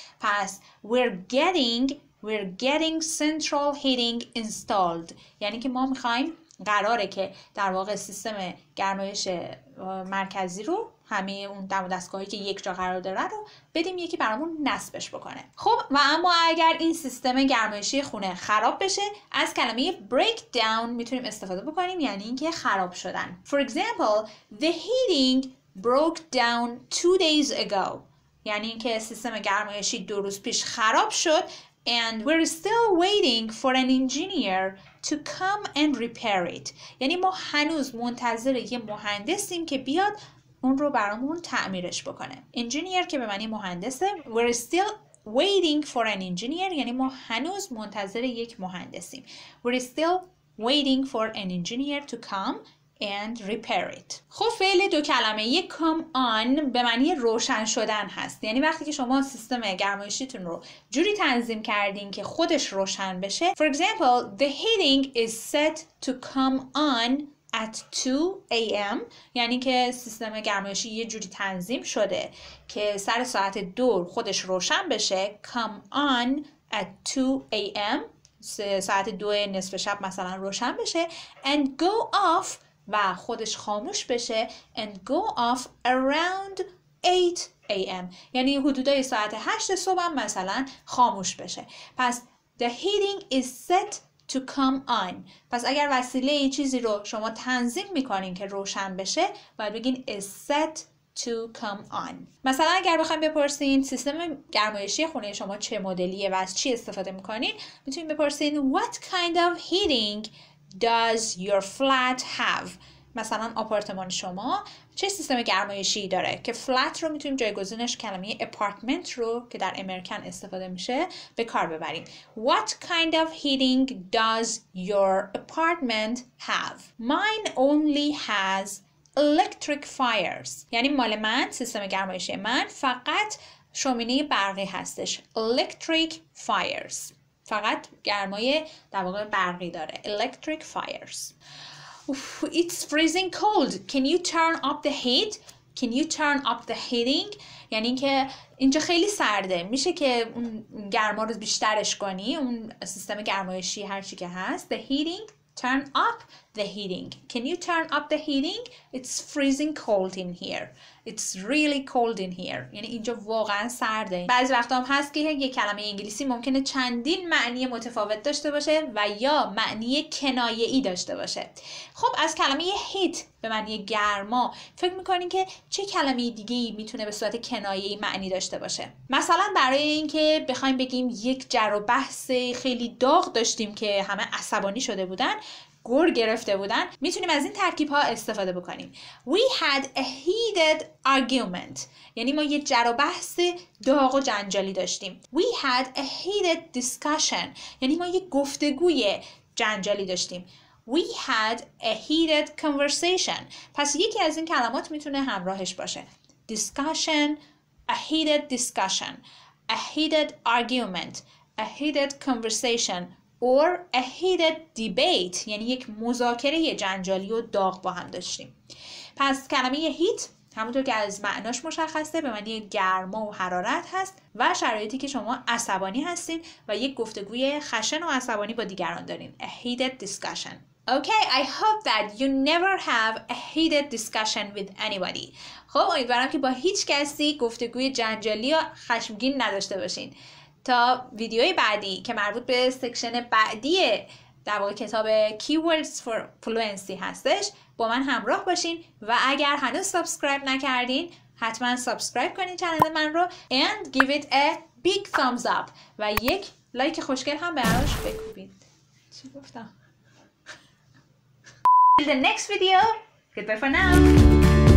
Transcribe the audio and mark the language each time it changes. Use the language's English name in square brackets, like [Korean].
[Persian] پس [English] We're getting central heating installed [Persian] یعنی که ما میخواییم قراره که در واقع سیستم گرمایش مرکزی رو همه اون دم و دستگاهی که یک جا قرار داره رو بدیم یکی برامون نصبش بکنه. خب و اما اگر این سیستم گرمایشی خونه خراب بشه از کلمه breakdown میتونیم استفاده بکنیم یعنی اینکه خراب شدن. [English] For example, the heating broke down 2 days ago [Persian] یعنی اینکه سیستم گرمایشی 2 روز پیش خراب شد [English] And we're still waiting for an engineer to come and repair it. [Persian] یعنی ما هنوز منتظر یه مهندسیم که بیاد اون رو برامون تعمیرش بکنه. Engineer که به معنی مهندسه. [English] We're still waiting for an engineer. [Persian] یعنی ما هنوز منتظر یک مهندسیم. [English] We're still waiting for an engineer to come and repair it. [Persian] خب فعل دو کلمه یک come on به معنی روشن شدن هست. یعنی وقتی که شما سیستم گرمایشیتون رو جوری تنظیم کردین که خودش روشن بشه. [English] For example, the heating is set to come on at 2 a.m. [Persian] یعنی که سیستم گرمایشی یه جوری تنظیم شده که سر ساعت 2 خودش روشن بشه. [English] Come on at 2 a.m. [Persian] ساعت 2 نصف شب مثلا روشن بشه [English] and go off [Persian] و خودش خاموش بشه [English] and go off around 8 a.m. [Persian] یعنی حدودای ساعت 8 صبح مثلا خاموش بشه. [English] پس the heating is set to come on. [Persian] پس اگر وسیله ای چیزی رو شما تنظیم میکنین که روشن بشه باید بگین [English] is set to come on. [Persian] مثلا اگر بخوایم بپرسین سیستم گرمایشی خونه شما چه مدلیه و از چی استفاده میکنین میتونین بپرسین [English] what kind of heating Does your flat have [Persian] مثلا آپارتمان شما چه سیستم گرمایشی داره که flat رو میتونیم جایگزینش کلمه apartment رو که در امریکن استفاده میشه به کار ببریم. [English] What kind of heating does your apartment have? Mine only has electric fires. [Persian] یعنی مال من سیستم گرمایشی من فقط شومینه برقی هستش. [English] Electric fires. [Persian] فقط گرمای در واقع برقی داره. [English] Electric fires. It's freezing cold. Can you turn up the heat? Can you turn up the heating? [Persian] یعنی که اینجا خیلی سرده. میشه که اون گرما رو بیشترش کنی. اون سیستم گرمایشی هر چی که هست. [English] The heating. Turn up the heating. Can you turn up the heating? It's freezing cold in here. It's really cold in here. [Persian] یعنی اینجا واقعا سرده. بعضی وقتا هم هست که یک کلمه انگلیسی ممکنه چندین معنی متفاوت داشته باشه و یا معنی کنایه‌ای داشته باشه. خب از کلمه heat به معنی گرما فکر میکنین که چه کلمه دیگه میتونه به صورت کنایه‌ای معنی داشته باشه؟ مثلا برای اینکه بخوایم بگیم یک جر و بحث خیلی داغ داشتیم که همه عصبانی شده بودن گور گرفته بودن میتونیم از این ترکیب ها استفاده بکنیم. [English] We had a heated argument [Persian] یعنی ما یه جر و بحث داغ و جنجالی داشتیم. [English] We had a heated discussion [Persian] یعنی ما یه گفتگوی جنجالی داشتیم. [English] We had a heated conversation [Persian] پس یکی از این کلمات میتونه همراهش باشه. [English] Discussion A heated discussion A heated argument A heated conversation Or a heated debate [Persian] یعنی یک مذاکره جنجالی و داغ با هم داشتیم. پس کلمه [English] heat [Persian] همونطور که از معناش مشخصه به معنی گرما و حرارت هست و شرایطی که شما عصبانی هستین و یک گفتگوی خشن و عصبانی با دیگران دارین. [English] A heated discussion. Okay, I hope that you never have a heated discussion with anybody. [Persian] خب امیدوارم که با هیچ کسی گفتگوی جنجالی و خشمگین نداشته باشین. تا ویدیوی بعدی که مربوط به سکشن بعدی در واقع کتاب Keywords for Fluency هستش با من همراه باشین و اگر هنوز سابسکرایب نکردین حتما سابسکرایب کنین کانال من رو [English] and give it a big thumbs up [Persian] و یک لایک خوشگل هم براش بکوبید. چی گفتم؟ [English] Till the next video. Goodbye for now.